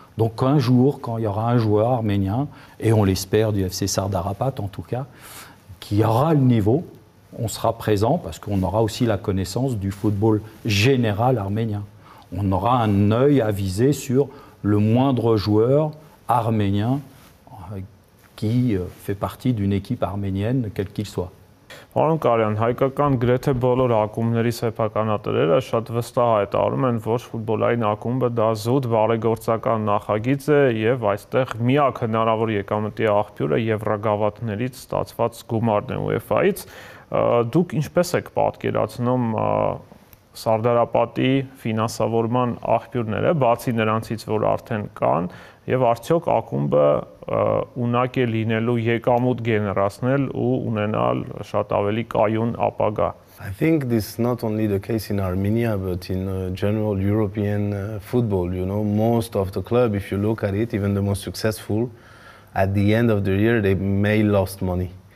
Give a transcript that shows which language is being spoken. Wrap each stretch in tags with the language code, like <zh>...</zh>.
<fr>Donc un jour, quand il y aura un joueur arménien, et on l'espère du FC Sardar Rapat en tout cas, qui aura le niveau, on sera présent parce qu'on aura aussi la connaissance du football général arménien. on aura un œil avisé sur le moindre joueur arménien qui fait partie d'une équipe arménienne, quel qu'il soit.</fr> <hy>Պարոն Կարյան, հայկական գրեթե բոլոր ակումբների սեփականատերերը շատ վստահ հայտարարում են, որ ֆուտբոլային ակումբը դա զուտ բարեգործական նախագիծ է եւ այստեղ միակ հնարավոր եկամտի աղբյուրը եվրագավաթներից ստացված գումարն է UEFA-ից։ Դուք ինչպես եք պատկերացնում սարդարապատի ֆինանսավորման աղբյուրները, բացի նրանցից, որ արդեն կան, եւ արդյոք ակումբը ունակ է լինելու եկամուտ գեներացնել ու ունենալ շատ ավելի կայուն ապագա?</hy> <en>I think this is not only the case in Armenia but in general European football, you know, most of the club, if you look at it, even the most successful, at the end of the year they may lost money.</en>